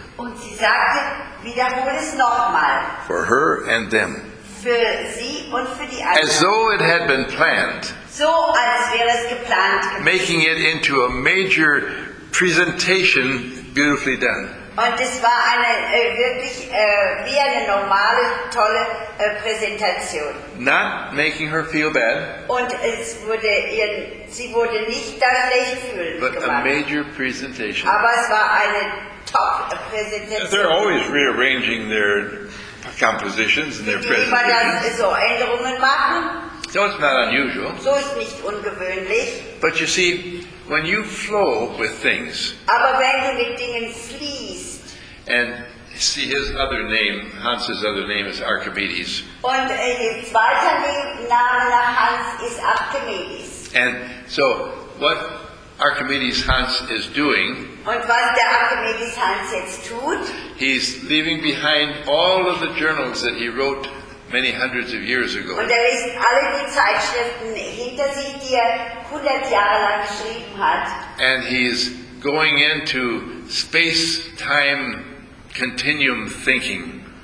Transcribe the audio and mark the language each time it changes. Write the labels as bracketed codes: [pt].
[de] Und sie sagte, wiederhole es nochmal. [en] For her and them. [de] Für sie und für die anderen. [en] As though it had been planned. [de] So als wäre es geplant. [en] Making it into a major presentation, beautifully done. [de] Und es war eine wirklich wie eine normale, tolle Präsentation. [en] Not making her feel bad. [de] Und es wurde sie wurde nicht da schlecht fühlen. [en] But [de] gemacht. [en] A major presentation. [de] Aber es war eine top Präsentation. [en] They're always rearranging their compositions and their presentations. [de] Die immer so Änderungen machen. [en] So it's not unusual. [de] So ist nicht ungewöhnlich. [en] But you see, when you flow with things. [de] Aber wenn du mit Dingen fließt. [en] And see his other name, Hans's other name is Archimedes. [de] Und zweiter Name nach Hans ist Archimedes. [en] And so what Archimedes Hans is doing. [de] Und was der Archimedes Hans jetzt tut? [en] He's leaving behind all of the journals that he wrote many hundreds of years ago. [de] Und lässt alle die Zeitschriften hinter sich, die 100 Jahre lang geschrieben hat. [en] And he's going into space-time continuum thinking.